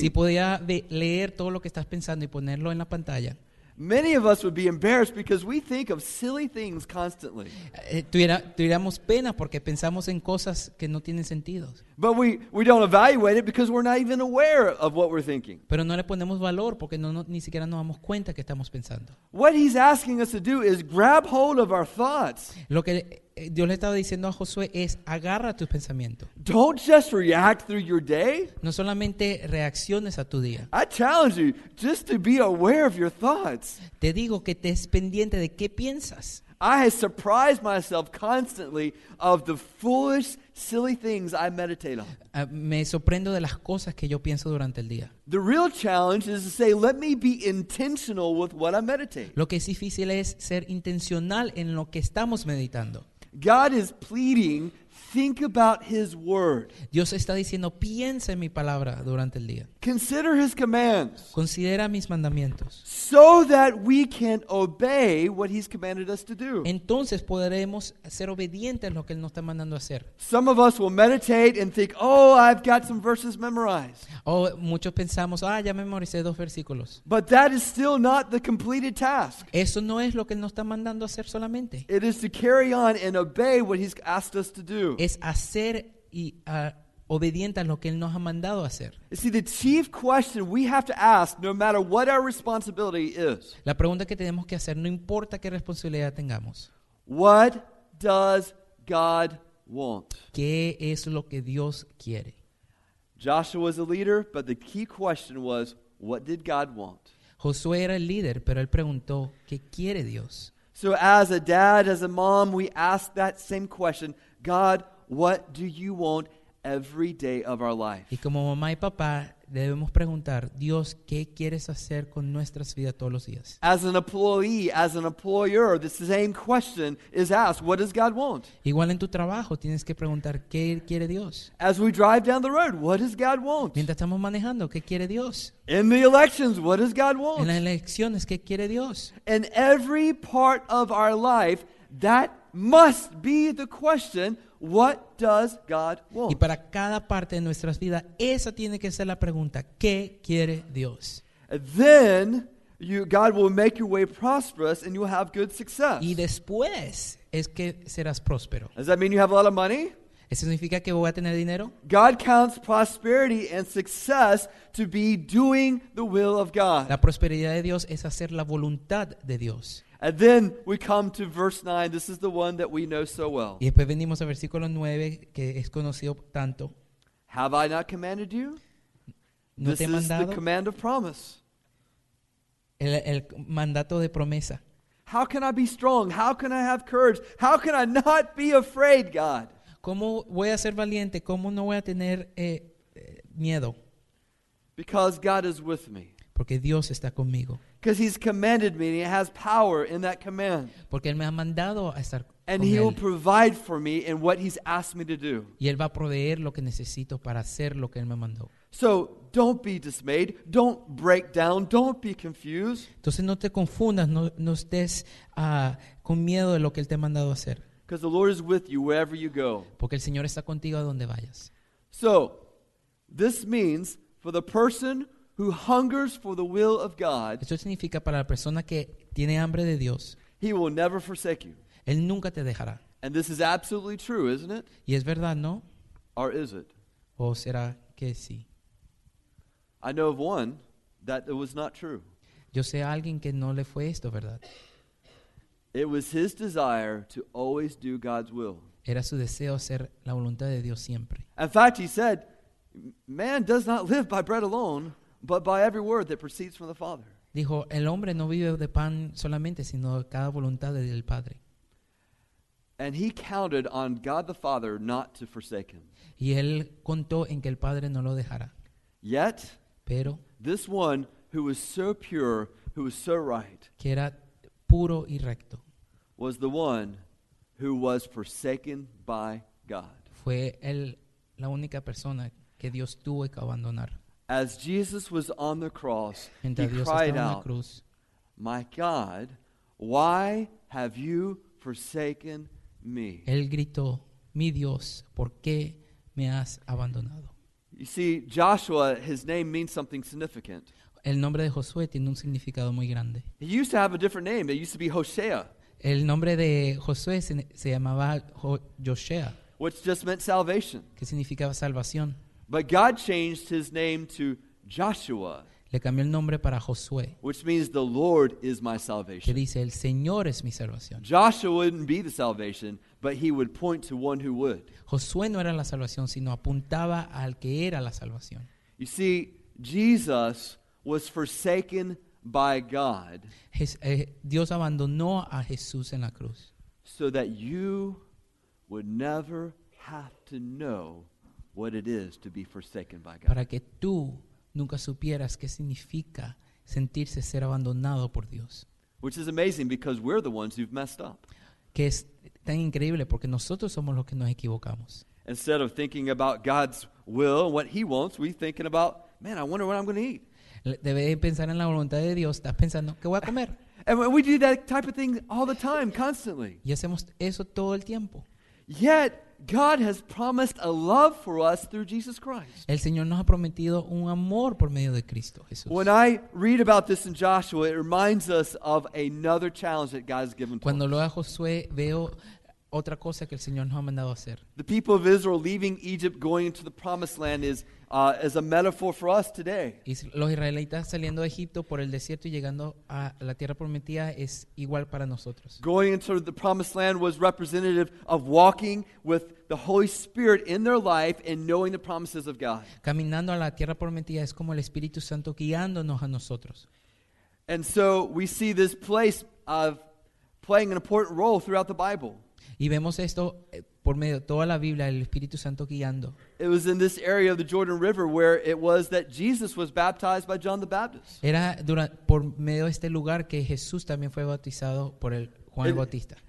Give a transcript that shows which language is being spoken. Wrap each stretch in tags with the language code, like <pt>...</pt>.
<es>Si pudiera leer todo lo que estás pensando y ponerlo en la pantalla.</es> <en>Many of us would be embarrassed because we think of silly things constantly.</en> <es>Tuviéramos pena porque pensamos en cosas que no tienen sentido.</es> <en>But we don't evaluate it because we're not even aware of what we're thinking.</en> <es>Pero no le ponemos valor porque no ni siquiera nos damos cuenta que estamos pensando.</es> <en>What he's asking us to do is grab hold of our thoughts.</en> <es>Lo que Dios le estaba diciendo a Josué es agarra tus pensamientos.</es> <en>Don't just react through your day.</en> <es>No solamente reacciones a tu día.</es> <en>I challenge you just to be aware of your thoughts.</en> <es>Te digo que te es pendiente de qué piensas.</es> <en>I have surprised myself constantly of the foolish, silly things I meditate on.</en> <es>Me sorprendo de las cosas que yo pienso durante el día.</es> <en>The real challenge is to say, let me be intentional with what I meditate.</en> <es>Lo que es difícil es ser intencional en lo que estamos meditando.</es> <en>God is pleading, think about his word.</en> <es>Dios está diciendo, piensa en mi palabra durante el día.</es> <en>Consider his commands.</en> <es>Considera mis mandamientos.</es> <en>So that we can obey what he's commanded us to do.</en> <es>Entonces podremos ser obedientes a lo que él nos está mandando a hacer.</es> <en>Some of us will meditate and think, oh, I've got some verses memorized.</en> <es>Oh, muchos pensamos, ah, ya memoricé dos versículos.</es> <en>But that is still not the completed task.</en> <es>Eso no es lo que él nos está mandando a hacer solamente.</es> <en>It is to carry on and obey what he's asked us to do.</en> <es>Es hacer y obediente a lo que él nos ha mandado a hacer.</es> <en>See, the chief question we have to ask, no matter what our responsibility is.</en> <es>La pregunta que tenemos que hacer, no importa qué responsabilidad tengamos.</es> <en>What does God want?</en> <es>¿Qué es lo que Dios quiere?</es> <en>Joshua was a leader, but the key question was, what did God want?</en> <es>Josué era el líder, pero él preguntó, ¿qué quiere Dios?</es> <en>So as a dad, as a mom, we ask that same question. God, what do you want every day of our life?</en> <es>Y como mamá y papá, debemos preguntar, Dios, ¿qué quieres hacer con nuestras vidas todos los días?</es> <en>As an employee, as an employer, the same question is asked, what does God want?</en> <es>Igual en tu trabajo, tienes que preguntar, ¿qué quiere Dios?</es> <en>As we drive down the road, what does God want?</en> <es>Mientras estamos manejando, ¿qué quiere Dios?</es> <en>In the elections, what does God want?</en> <es>En las elecciones, ¿qué quiere Dios?</es> <en>In every part of our life, that must be the question, what does God want?</en> <es>Y para cada parte de nuestras vidas, esa tiene que ser la pregunta, ¿qué quiere Dios?</es> <en>Then God will make your way prosperous and you will have good success.</en> <es>Y después es que serás próspero.</es> <en>Does that mean you have a lot of money?</en> <es>¿Eso significa que voy a tener dinero?</es> <en>God counts prosperity and success to be doing the will of God.</en> <es>La prosperidad de Dios es hacer la voluntad de Dios.</es> <en>And then we come to verse 9. This is the one that we know so well.</en> <es>Y después venimos al versículo 9 que es conocido tanto.</es> <en>Have I not commanded you?</en> <es>¿No te he mandado?</es> <en>This is the command of promise.</en> <es>El mandato de promesa.</es> <en>How can I be strong? How can I have courage? How can I not be afraid, God?</en> <es>¿Cómo voy a ser valiente? ¿Cómo no voy a tener miedo?</es> <en>Because God is with me.</en> <es>Porque Dios está conmigo.</es> <en>Because he's commanded me and he has power in that command.</en> <es>Porque él me ha mandado a estar con él.</es> <en>And he will provide for me in what he's asked me to do.</en> <es>Y él va a proveer lo que necesito para hacer lo que él me mandó.</es> <en>So don't be dismayed. Don't break down. Don't be confused.</en> <es>Entonces no te confundas. No estés con miedo de lo que él te ha mandado a hacer.</es> <en>Because the Lord is with you wherever you go.</en> <es>Porque el Señor está contigo a donde vayas.</es> <en>So this means for the person who hungers for the will of God.</en> <es>Esto significa para la persona que tiene hambre de Dios.</es> <en>He will never forsake you.</en> <es>Él nunca te dejará.</es> <en>And this is absolutely true, isn't it?</en> <es>Y es verdad, ¿no?</es> <en>Or is it?</en> <es>¿O será que sí?</es> <en>I know of one that it was not true.</en> <es>Yo sé a alguien que no le fue esto, ¿verdad?</es> <en>It was his desire to always do God's will.</en> <es>Era su deseo hacer la voluntad de Dios siempre.</es> <en>In fact, he said, man does not live by bread alone, but by every word that proceeds from the Father.</en> <es>Dijo, el hombre no vive de pan solamente, sino de cada voluntad del Padre.</es> <en>And he counted on God the Father not to forsake him.</en> <es>Y él contó en que el Padre no lo dejara.</es> <en>Yet,</en> <es>pero,</es> <en>this one who was so pure, who was so right,</en> <es>que era puro y recto,</es> <en>was the one who was forsaken by God.</en> <es>Fue él la única persona que Dios tuvo que abandonar.</es> <en>As Jesus was on the cross,</en> <es>mientras</es> <en>he</en> <es>Dios</es> <en>cried out,</en> <es>cruz,</es> <en>"My God, why have you forsaken me?"</en> <es>Él gritó, "Mi Dios, ¿por qué me has abandonado?"</es> <en>You see, Joshua, his name means something significant.</en> <es>El nombre de Josué tiene un significado muy grande.</es> <en>He used to have a different name. It used to be Hosea.</en> <es>El nombre de Josué se llamaba Josea.</es> <en>Which just meant salvation.</en> <es>Que significaba salvación.</es> <en>But God changed his name to Joshua.</en> <es>Le cambió el nombre para Josué.</es> <en>Which means the Lord is my salvation.</en> <es>Que dice, el Señor es mi salvación.</es> <en>Joshua wouldn't be the salvation, but he would point to one who would.</en> <es>Josué no era la salvación, sino apuntaba al que era la salvación.</es> <en>You see, Jesus was forsaken by God.</en> <es>Dios abandonó a Jesús en la cruz.</es> <en>So that you would never have to know what it is to be forsaken by God.</en> <es>Para que tú nunca supieras qué significa sentirse ser abandonado por Dios.</es> <en>Which is amazing because we're the ones who've messed up.</en> <es>Que es tan increíble porque nosotros somos los que nos equivocamos.</es> <en>Instead of thinking about God's will and what he wants, we're thinking about, man, I wonder what I'm going to eat.</en> <es>Debe pensar en la voluntad de Dios, estás pensando, ¿qué voy a comer?</es> <en>And we do that type of thing all the time, constantly.</en> <es>Y hacemos eso todo el tiempo.</es> <en>Yet God has promised a love for us through Jesus Christ.</en> <es>El Señor nos ha prometido un amor por medio de Cristo Jesús.</es> <en>When I read about this in Joshua, it reminds us of another challenge that God has given to</en> <es>Cuando</es> <en>us.</en> <es>Cuando leo a Josué, veo otra cosa que el Señor nos ha mandado hacer.</es> <en>The people of Israel leaving Egypt going into the promised land is a metaphor for us today.</en> <es>Los israelitas saliendo de Egipto por el desierto y llegando a la tierra prometida es igual para nosotros.</es> <en>Going into the promised land was representative of walking with the Holy Spirit in their life and knowing the promises of God.</en> <es>Caminando a la tierra prometida es como el Espíritu Santo guiándonos a nosotros.</es> <en>And so we see this place of playing an important role throughout the Bible.</en> <es>Y vemos esto por medio de toda la Biblia, el Espíritu Santo guiando.</es> <en>It was in this area of the Jordan River where it was that Jesus was baptized by John the Baptist.</en> <es>Era por medio de este lugar que Jesús también fue bautizado por el Juan el Bautista.</es>